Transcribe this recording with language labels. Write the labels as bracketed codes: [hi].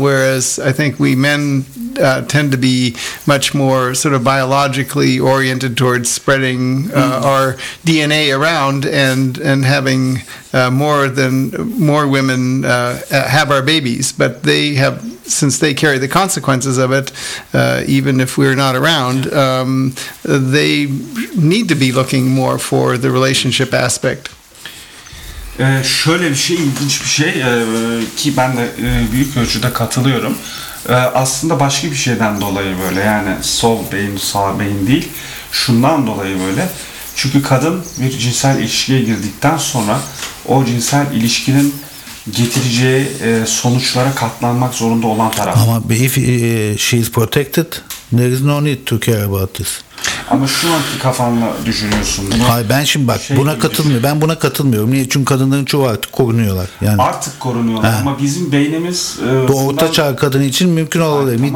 [en] Whereas I think we men tend to be much more sort of biologically oriented towards spreading our DNA around and having more women have our babies, but they have, since they carry the consequences of it, even if we're not around, they need to be looking more for the relationship aspect. [tr] Şöyle bir şey, ilginç bir şey ki ben de büyük ölçüde katılıyorum. Aslında başka bir şeyden dolayı böyle, yani sol beyin, sağ beyin değil. Şundan dolayı böyle, çünkü kadın bir cinsel ilişkiye girdikten sonra o cinsel ilişkinin getireceği sonuçlara katlanmak zorunda olan taraf. Ama [en] if she is protected, there is no need to care about this. [tr] Ama şu anki kafanla düşünüyorsun bunu. Hayır, ben şimdi bak şey buna katılmıyorum. Ben buna katılmıyorum. Niye? Çünkü kadınların çoğu artık korunuyorlar. Yani. Artık korunuyorlar. He. Ama bizim beynimiz bu orta çağ kadını için mümkün olabilir.